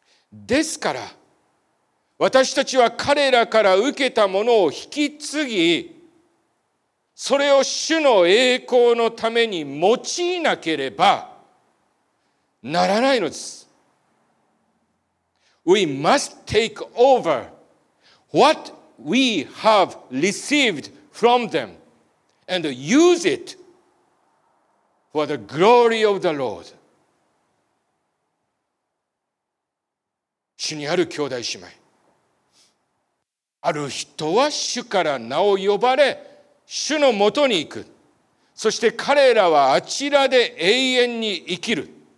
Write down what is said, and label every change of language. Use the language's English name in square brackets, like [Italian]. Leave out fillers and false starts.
[Japanese] ですから私たちは彼らから受けたものを引き継ぎ、それを主の栄光のために用いなければならないのです。 [English] We must take over what we have recedfrom them and use it for the glory of the Lord。 [Japanese] 主にある兄弟姉妹、ある人は主から名を呼ばれ主のもとに行く、そして彼らはあちらで永遠に生きる。